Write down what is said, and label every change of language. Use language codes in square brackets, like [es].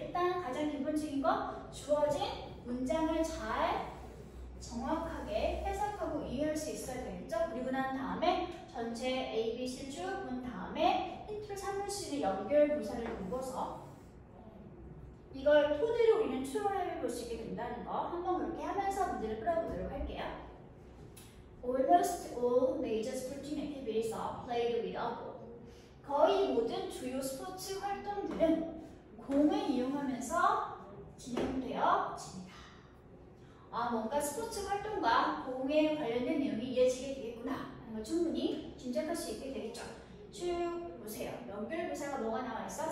[ko] 일단 가장 기본적인 건 주어진 문장을 잘 정확하게 해석하고 이해할 수 있어야 되겠죠. 그리고 난 다음에 전체 ABC를 쭉 본 다음에 힌트를 삼을 수 있는 연결 부사를 묶어서 이걸 토대로 우리는 추론을 해 볼 수 있게 된다는 거 한번 그렇게 하면서 문제를 풀어보도록 할게요. [en] Almost all major sporting activities are played with a ball. [ko] 거의 모든 주요 스포츠 활동들은 공을 이용하면서 진행되어집니다. 아, 뭔가 스포츠 활동과 공에 관련된 내용이 이어지게 되겠구나 하는 걸 충분히 짐작할 수 있게 되겠죠. 쭉 보세요. 연결부사가 뭐가 나와있어?